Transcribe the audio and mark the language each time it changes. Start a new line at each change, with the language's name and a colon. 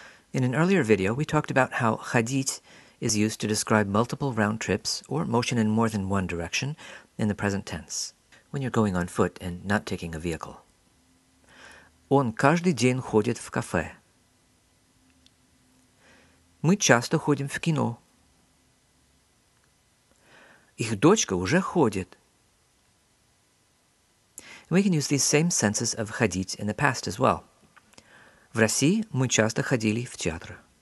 English: In an earlier video, we talked about how ходить is used to describe multiple round trips or motion in more than one direction in the present tense, when you're going on foot and not taking a vehicle.
Russian: Он каждый день ходит в кафе. Мы часто ходим в кино. Их дочка уже ходит.
English: We can use these same senses of ходить in the past as well.
Russian: В России мы часто ходили в театр.